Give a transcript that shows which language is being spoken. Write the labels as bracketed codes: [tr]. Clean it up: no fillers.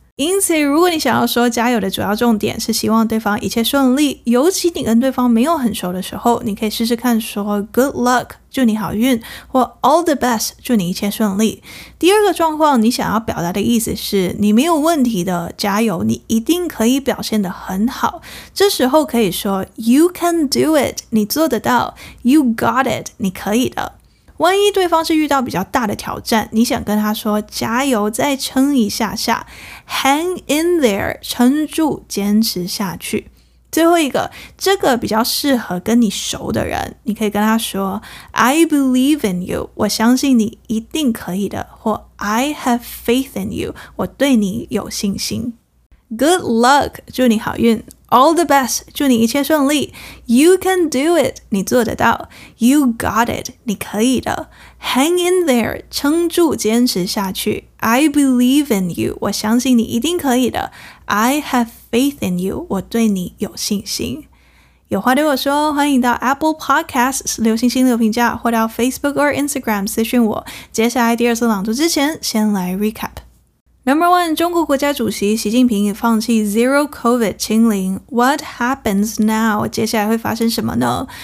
[zh] 因此，如果你想要说加油的主要重点是希望对方一切顺利，尤其你跟对方没有很熟的时候，你可以试试看说 [en] good luck， [zh] 祝你好运，或 [en] all the best， [zh] 祝你一切顺利。第二个状况，你想要表达的意思是你没有问题的，加油，你一定可以表现得很好。这时候可以说 [en] you can do it， [zh] 你做得到， [en] you got it， [zh] 你可以的。万一对方是遇到比较大的挑战，你想跟他说加油，再撑一下下， [en] hang in there， [zh] 撑住，坚持下去。最后一个，这个比较适合跟你熟的人，你可以跟他说 [en] I believe in you， [zh] 我相信你一定可以的，或 [en] I have faith in you， [zh] 我对你有信心。 [en] Good luck， [zh] 祝你好运。 [en] All the best， [zh] 祝你一切顺利。 [en] You can do it， [zh] 你做得到。 [en] You got it， [zh] 你可以的。 [en] Hang in there， [zh] 撑住，坚持下去。 [en] I believe in you， [zh] 我相信你一定可以的。 [en] I have faith in you， [zh] 我对你有信心。有话对我说，欢迎到 Apple Podcasts 留星星留评价，或到 Facebook or Instagram 私讯我。接下来第二次朗读之前，先来 recap。Number one, 中国国家主席习近平已放弃 Zero COVID 清零。 [en] What happens now? [zh] 接下来会发生什么呢？